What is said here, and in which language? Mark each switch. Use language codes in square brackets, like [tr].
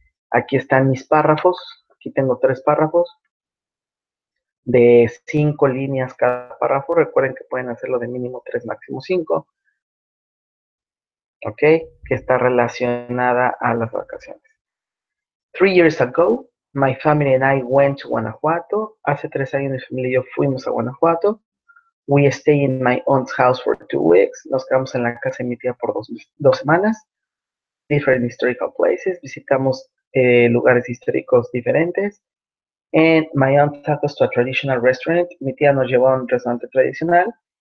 [es] Aquí están mis párrafos. Aquí tengo tres párrafos de cinco líneas cada párrafo. Recuerden que pueden hacerlo de mínimo tres, máximo cinco. Ok, que está relacionada a las vacaciones. [en] 3 years ago, my family and I went to Guanajuato. [es] Hace 3 años mi familia y yo fuimos a Guanajuato. [en] We stay in my aunt's house for 2 weeks. [es] Nos quedamos en la casa de mi tía por 2 semanas. [en] Different historical places. [es] Visitamos lugares históricos diferentes. [en] And my aunt took us to a traditional restaurant. [es] Mi tía nos llevó a un restaurante tradicional.